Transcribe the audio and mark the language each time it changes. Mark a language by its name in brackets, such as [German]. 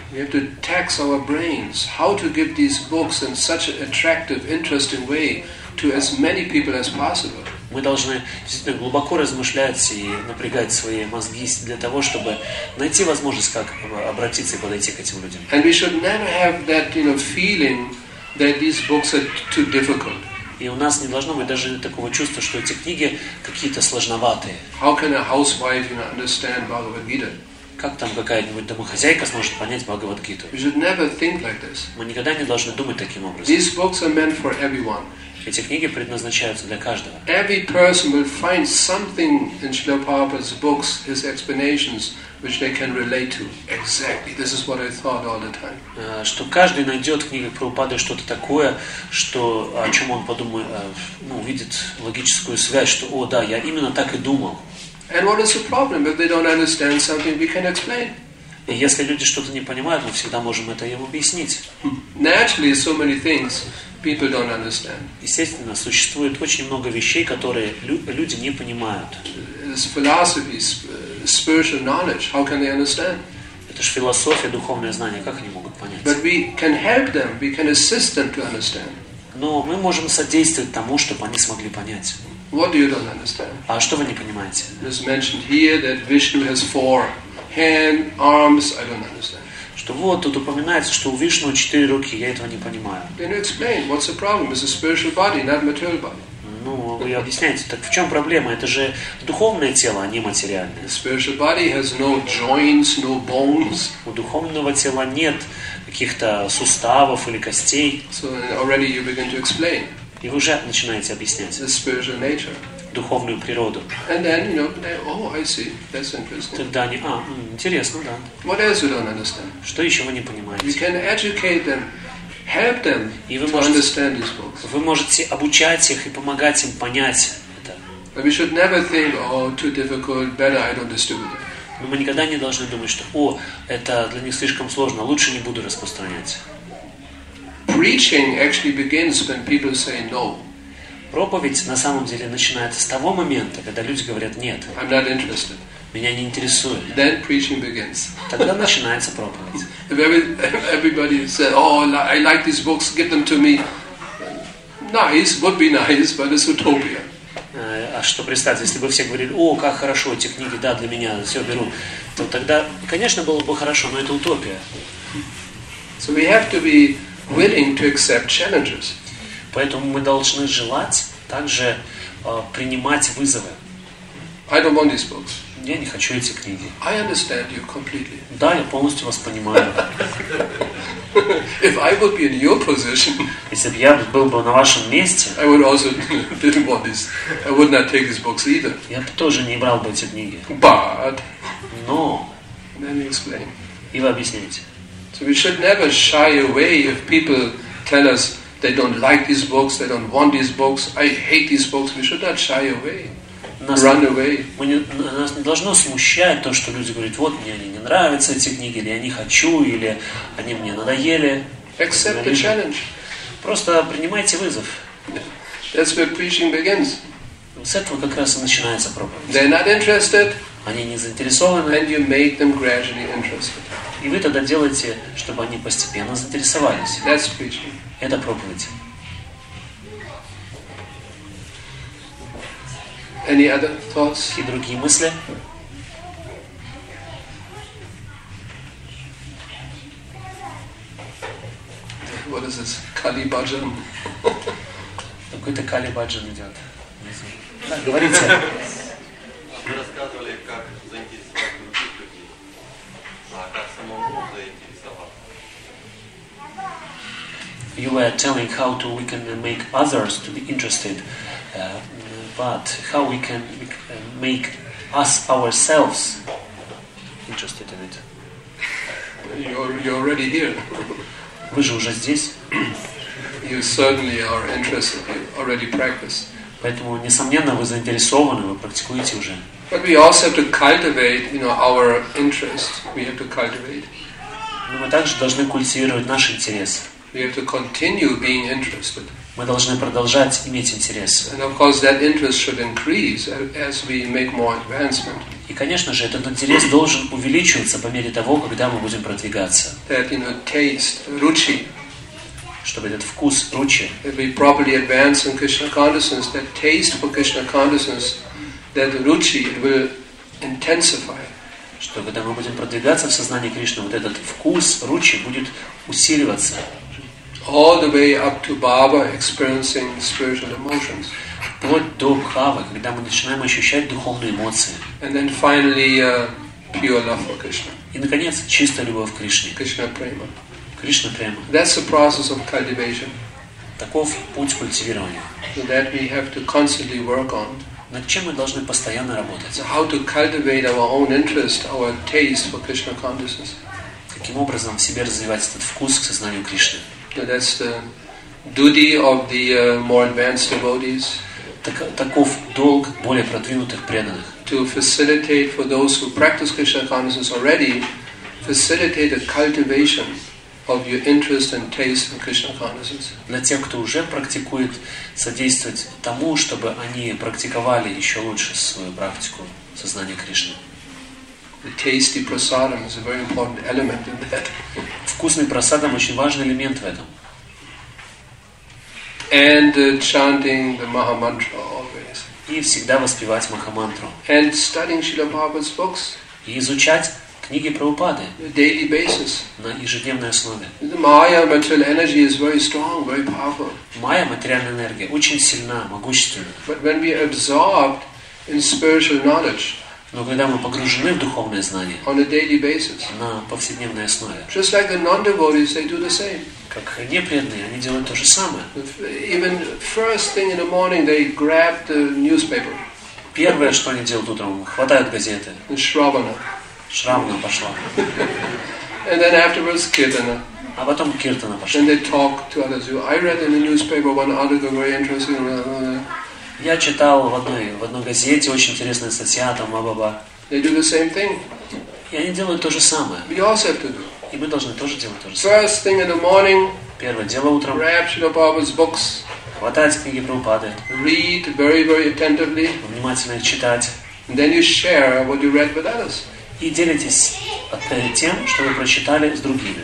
[English] We have to tax our brains how to give these books in such an attractive, interesting way to as many people as possible. [Russian] Мы должны действительно глубоко размышлять и напрягать свои мозги для того, чтобы найти возможность, как обратиться и подойти к этим людям. [English] And we should never have that, you know, feeling that these books are too difficult. [Russian] И у нас не должно быть даже такого чувства, что эти книги какие-то сложноватые. [English] How can a housewife, you know, understand Bhagavad Gita? [Russian] Как там какая-нибудь домохозяйка сможет понять Бхагавад-гиту? [English] We should never think like this. [Russian] Мы никогда не должны думать таким образом. [English] These books are meant for everyone. [Russian] Эти книги предназначаются для каждого. [English] Every person will find something in Srila Prabhupada's books, his explanations, which they can relate to. Exactly. This is what I thought all the time. [Russian] Что каждый найдет в книгах Прабхупады что-то такое, что о чем он подумает, увидит логическую связь, что: «О, да, я именно так и думал». [English] And what is the problem? If they don't understand something, we can explain. [Russian] И если люди что-то не понимают, мы всегда можем это им объяснить. [English] Naturally, so many things people don't understand. [Russian] Естественно, существует очень много вещей, которые люди не понимают. [English] It's philosophy, spiritual knowledge. How can they understand? [Russian] Это же философия, духовное знание. Как они могут понять? [English] But we can help them. We can assist them to understand. [Russian] Но мы можем содействовать тому, чтобы они смогли понять. [English] What do you don't understand? [Russian] А что вы не понимаете? [English] It's mentioned here that Vishnu has four hands, arms. I don't understand. [Russian] Что вот тут упоминается, что у Вишну четыре руки, я этого не понимаю. [English] Then you explain what's the problem? It's a spiritual body, not material body. [Russian] Ну, вы объясняете, так в чем проблема? Это же духовное тело, а не материальное. [English] The spiritual body has no joints, no bones. [Russian] У духовного тела нет каких-то суставов или костей. [English] So already you begin to explain. [Russian] И вы уже начинаете объяснять. [English] The spiritual nature. [Russian] Духовную природу. [English] And then, you know, oh, I see. That's interesting. [Russian] Тогда они: «А, интересно, да». [English] What else you don't understand? [Russian] Что еще вы не понимаете? [English] You can educate them. Help them to understand these books. [Russian] Вы можете обучать их и помогать им понять это. [English] But we should never think, oh, too difficult, better I don't distribute it. [Russian] Но мы никогда не должны думать, что: «О, это для них слишком сложно, лучше не буду распространять». [English] Preaching actually begins when people say no. [Russian] Проповедь на самом деле начинается с того момента, когда люди говорят: «Нет, [English] I'm not interested. [Russian] Меня не интересует». [English] Then preaching begins. [Russian] Тогда начинается проповедь. [English] If everybody said, oh, I like these books, give them to me. Nice, would be nice, but it's utopia. [Russian] А что представьте, если бы все говорили: о, как хорошо, эти книги, да, для меня, все беру. То тогда, конечно, было бы хорошо, но это утопия. [English] So we have to be willing to accept challenges. [Russian] Поэтому мы должны желать также принимать вызовы. [English] I don't want these books. [Russian] Я не хочу эти книги. [English] I understand you completely. [Russian] Да, я полностью вас понимаю. [English] If I would be in your position, [Russian] если бы я был бы на вашем месте, [English] I would also didn't want this. I would not take these books either. [Russian] Я бы тоже не брал бы эти книги. [English] But. [Russian] Но. [English] Let me explain. [Russian] И вы объясните. [English] So we should never shy away if people tell us they don't like these books, they don't want these books, I hate these books. We should not shy away. Run away. [Russian] Нас не должно смущать то, что люди говорят: вот, мне они не нравятся, эти книги, или я не хочу, или они мне надоели. [English] Accept the challenge. [Russian] Просто принимайте вызов. [English] That's where preaching begins. [Russian] С этого как раз и начинается проповедь. [English] They're not interested. [Russian] Они не заинтересованы. [English] And you make them gradually interested. [Russian] И вы тогда делаете, чтобы они постепенно заинтересовались. [English] That's preaching. [Russian] Это проповедь. [English] Any other thoughts? [Russian] И другие мысли? [English] What is this? Kali Bhajan? [Russian] Какой-то Kali Bhajan идет. Так, говорите. Вы рассказывали, как заинтересовать других людей, а как самому заинтересовать. [English] you were telling how to we can make others to be interested, but how we can make us ourselves interested in it. You're already here. [Russian] Вы же уже здесь. [English] You certainly are interested. You already practice. [Russian] Поэтому несомненно вы заинтересованы, вы практикуете уже. [English] But we also have to cultivate, you know, our interest. We have to cultivate. [Russian] Но мы также должны культивировать наш интерес. [English] We have to continue being interested. [Russian] Мы должны продолжать иметь интерес. [English] And of course, that interest should increase as we make more advancement. [Russian] И, конечно же, этот интерес должен увеличиваться по мере того, когда мы будем продвигаться. [English] That, you know, taste, ruchi, [Russian] чтобы этот вкус ruchi, [English] that we properly advance in Krishna consciousness, that taste for Krishna consciousness, that ruchi will intensify. [Russian] Что когда мы будем продвигаться в сознании Кришны, вот этот вкус ruchi будет усиливаться. [English] All the way up to Bhava, experiencing spiritual emotions. [Russian] Вплоть до Бхавы, когда мы начинаем ощущать духовные эмоции. [English] And then finally, pure love for Krishna. [Russian] И, наконец, чистая любовь к Кришне. [Sanskrit] Krishna prema. Krishna prema. [English] That's the process of cultivation. [Russian] Таков путь культивирования. [English] So that we have to constantly work on. [Russian] Над чем мы должны постоянно работать? [English] So how to cultivate our own interest, our taste for Krishna consciousness. [Russian] Каким образом в себе развивать этот вкус к сознанию Кришны? [English] So that's the duty of the more advanced devotees. [Russian] Таков долг более продвинутых преданных. [English] To facilitate for those who practice Krishna consciousness already, facilitate the cultivation of your interest and taste in Krishna consciousness. [Russian] Для тех, кто уже практикует, содействовать тому, чтобы они практиковали еще лучше свою практику сознания Кришны. [English] The tasty prasadam is a very important element in that. [Russian] Вкусный прасадам очень важный элемент в этом. [English] And chanting the Maha Mantra always. [Russian] И всегда воспевать Махамантру. [English] And studying Srila Prabhupada's books. [Russian] И изучать книги Прабхупады. [English] On a daily basis. [Russian] На ежедневной основе. [English] The Maya material energy is very strong, very powerful. [Russian] Майя материальная энергия очень сильна, могущественна. [English] But when we are absorbed in spiritual knowledge. [Russian] Но когда мы погружены в духовное знание, [English] on a daily basis, [Russian] на повседневной основе, [English] just like the non-devotees, they do the same. [Russian] Как непреданные, они делают то же самое. [English] Even first thing in the morning, they grab the newspaper. [Russian] Первое, что они делают утром, хватают газеты. Шравана. Шравана пошла. [English] And then afterwards, киртана. [Russian] А потом киртана пошла. [English] And they talk to others. I read in the newspaper one article very interesting. [Russian] Я читал в одной газете очень интересная статья там Абаба. [English] They do the same thing. [Russian] И они делают то же самое. [English] We also have to do. [Russian] И мы должны тоже делать то же самое. [English] First thing in the morning. [Russian] Первое дело утром. [English] Grab Srila Prabhupada's books. [Russian] Хватать книги Прабхупады. [English] Read very, very attentively. [Russian] Внимательно читать. [English] And then you share what you read with others. [Russian] И делитесь тем, что вы прочитали с другими.